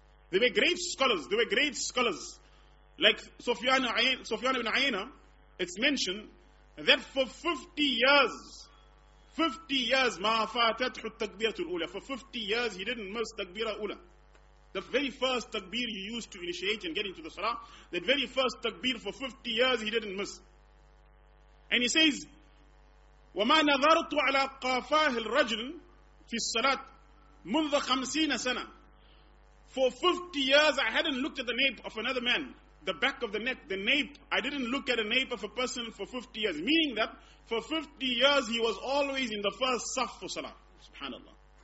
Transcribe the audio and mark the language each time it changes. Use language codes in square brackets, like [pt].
[en] There were great scholars. Like Sufyan ibn Ayyana, it's mentioned that for 50 years, [ar] ma fatatuhu takbiratul ula. [en] For 50 years, he didn't miss takbira ula. The very first takbir he used to initiate and get into the salah, that very first takbir for 50 years, he didn't miss. And he says, [ar] وَمَا نَذَرْتُ عَلَىٰ قَافَاهِ الرَّجْلِ فِي الصَّلَاةِ مُنْذَ خَمْسِينَ سَنَةً. [en] For 50 years, I hadn't looked at the nape of another man. The back of the neck, the nape. I didn't look at a nape of a person for 50 years. Meaning that for 50 years he was always in the first saf for salah. Subhanallah.